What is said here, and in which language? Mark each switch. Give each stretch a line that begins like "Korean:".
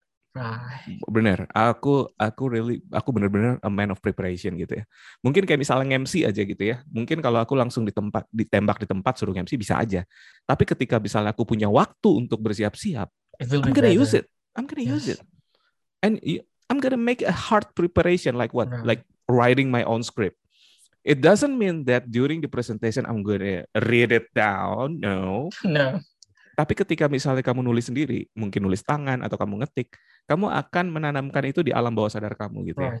English: Right.
Indonesian: Bener, aku bener-bener a man of preparation gitu ya. Mungkin kayak misalnya MC aja gitu ya. Mungkin kalau aku langsung ditembak di tempat suruh MC bisa aja. Tapi ketika misalnya aku punya waktu untuk bersiap-siap, I'm gonna use it.
English: And I'm gonna make a hard preparation like what? Right. Like writing my own script. It doesn't mean that during the presentation I'm gonna read it down. No. No.
Indonesian: Tapi ketika misalnya kamu nulis sendiri, mungkin nulis tangan atau kamu ngetik, kamu akan menanamkan itu di alam bawah sadar kamu gitu ya.